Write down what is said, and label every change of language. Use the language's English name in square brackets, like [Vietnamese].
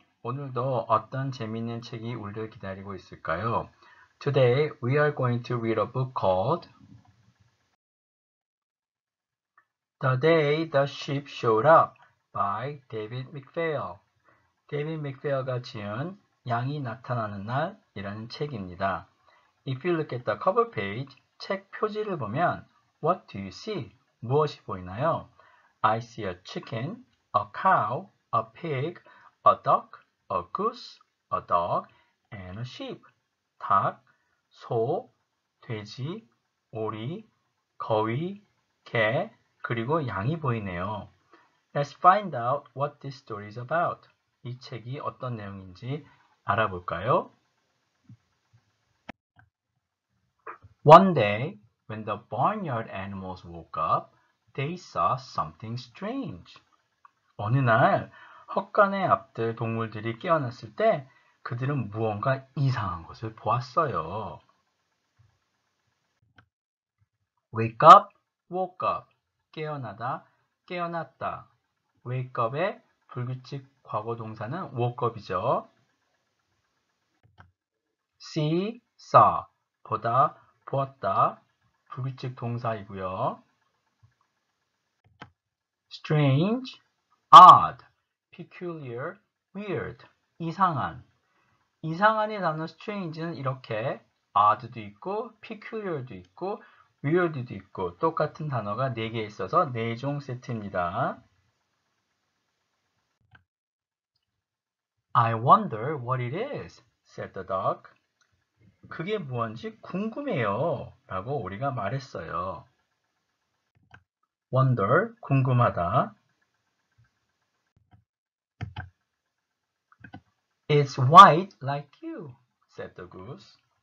[Korean] 오늘도 어떤 재미있는 책이 우리를 기다리고 있을까요? [English] Today we are going to read a book called The Day the Ship Showed Up by David McPhail. [Korean] David McPhail가 지은 양이 나타나는 날이라는 책입니다. [English] If you look at the cover page, [Korean] 책 표지를 보면 [English] What do you see? [Korean] 무엇이 보이나요? [English] I see a chicken, a cow, a pig, a duck, a goose, a dog, and a sheep. [Korean] 닭, 소, 돼지, 오리, 거위, 개, 그리고 양이 보이네요. [English] Let's find out what this story is about. [Korean] 이 책이 어떤 내용인지 알아볼까요? [English] One day, when the barnyard animals woke up, they saw something strange. [Korean] 어느 날 헛간에 앞들 동물들이 깨어났을 때 그들은 무언가 이상한 것을 보았어요. [English] Wake up, woke up. [Korean] 깨어나다, 깨어났다. Wake up의 불규칙 과거 동사는 woke up이죠. [English] See, saw. [Korean] 보다, 보았다. 불규칙 동사이고요. [English] Strange, odd, peculiar, weird, 이상한. [Korean] 이상한의 단어 strange는 이렇게 odd도 있고, peculiar도 있고, weird도 있고, 똑같은 단어가 4개 있어서 4종 세트입니다. [English] I wonder what it is, said the dog. [Korean] 그게 뭔지 궁금해요, 라고 우리가 말했어요. [English] Wonder, 궁금하다. It's white like you, said the goose.